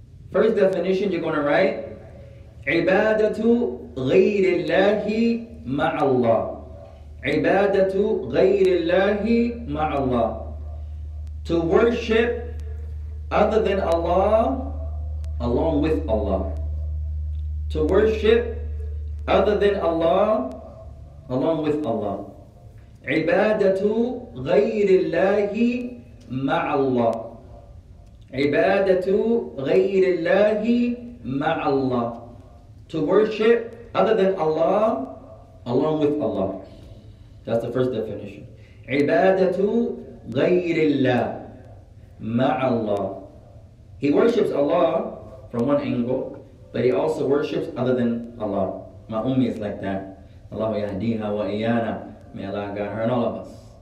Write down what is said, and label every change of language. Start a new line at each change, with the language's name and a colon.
English: first definition you're going to write
Arabic: عبادة غير الله مع الله
English: عبادة غير الله مع الله to worship other than Allah along with Allah To worship other than Allah, along with Allah.
Arabic: عِبَادَةُ غَيْرِ اللَّهِ مَعَ اللَّهِ عِبَادَةُ غَيْرِ اللَّهِ مَعَ اللَّهِ
English: To worship other than Allah, along with Allah. That's the first definition.
Arabic: عِبَادَةُ غَيْرِ اللَّهِ مَعَ اللَّهِ
English: He worships Allah from one angle. But he also worships other than Allah. My ummi is like that.
Arabic: Allahu yahdiha wa iyana.
English: May Allah guide her and all of us.